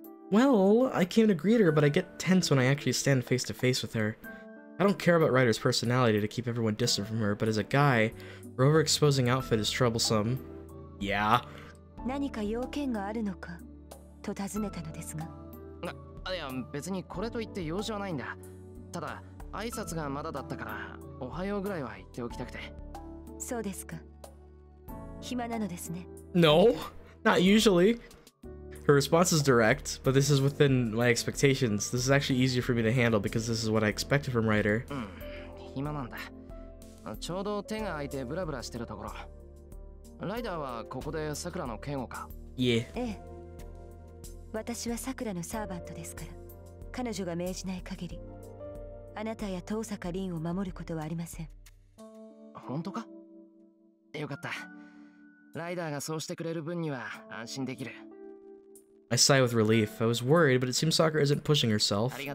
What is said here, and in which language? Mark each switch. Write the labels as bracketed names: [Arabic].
[English] Well, I came to greet her, but I get tense when I actually stand face to face with her. I don't care about Ryder's personality to keep everyone distant from her, but as a guy, her overexposing outfit is troublesome. Yeah. [Japanese] 何か要件があるのかと尋ねたのですが。いや、別にこれといって用事はないんだ。ただ、挨拶がまだだったから、 おはようぐらいは言っておきたくて。そうですか。暇なのですね。 [English] No? Not usually. Her response is direct, but this is within my expectations. This is actually easier for me to handle because this is what I expected from Ryder. [Japanese] ちょうど手が空いてブラブラしてるところ。ライダーはここで桜の剣をか。いえ。私は桜のサーバントですから。彼女が命じない限り、あなたや遠坂凛を守ることはありません。本当か?よかった。ライダーがそうしてくれる分には安心できる。 [English] I sigh with relief. I was worried, but it seems Sakura isn't pushing herself.